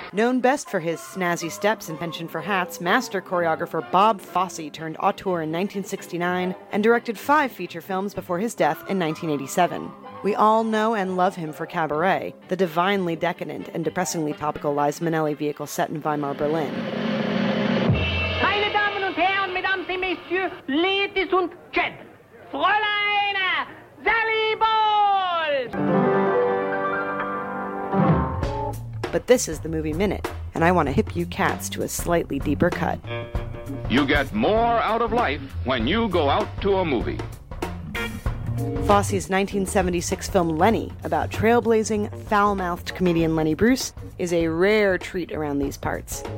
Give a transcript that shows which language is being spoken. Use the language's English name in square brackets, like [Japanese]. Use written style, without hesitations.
[English] Known best for his snazzy steps and penchant for hats, master choreographer Bob Fosse turned auteur in 1969 and directed 5 feature films before his death in 1987. We all know and love him for Cabaret, the divinely decadent and depressingly topical Liza Minnelli vehicle set in Weimar Berlin. [German] Meine Damen und Herren, [French] Mesdames et Messieurs, [English] Ladies [German] und [English] Gentlemen, [German] Fräulein Sally Ball! [English] But this is the Movie Minute, and I want to hip you cats to a slightly deeper cut. You get more out of life when you go out to a movie. Fosse's 1976 film Lenny, about trailblazing, foul-mouthed comedian Lenny Bruce, is a rare treat around these parts.